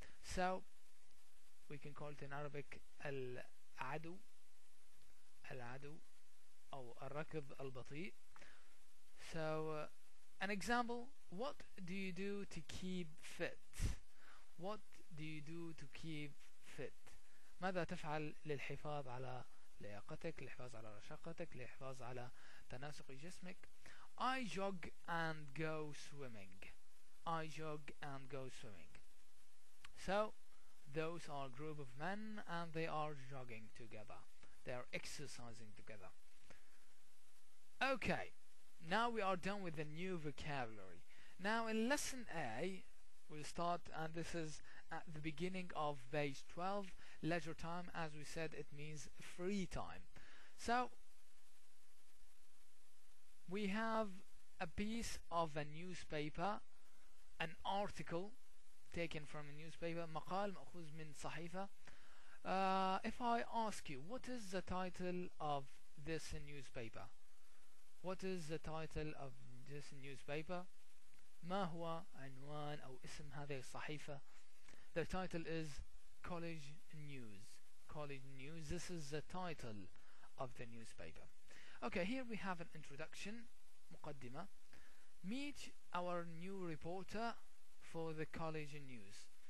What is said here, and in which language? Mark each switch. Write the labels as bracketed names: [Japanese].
[English] So we can call it in Arabic al-adu, al-adu, or [Arabic] al-rakib al-bati. [English] So an example, what do you do to keep fit? What do you do to keep fit? [Arabic] ماذا تفعل للحفاظ على لياقتك, للحفاظ على رشاقتك, للحفاظ على تناسق جسمك؟ [English] I jog and go swimming. I jog and go swimming. So those are a group of men and they are jogging together. They are exercising together. Okay, now we are done with the new vocabulary. Now in lesson A, we'll start, and this is at the beginning of page 12, leisure time, as we said, it means free time. So we have a piece of a newspaper, an article taken from a newspaper, [Arabic] مقال مأخوذ من صحيفة. [English] If I ask you, what is the title of this newspaper? What is the title of this newspaper? [Arabic] ما هو عنوان أو اسم هذه الصحيفة؟ [English] The title is College News. College News. This is the title of the newspaper. Okay, here we have an introduction, مقدمة. Meet our new reporter for the College News.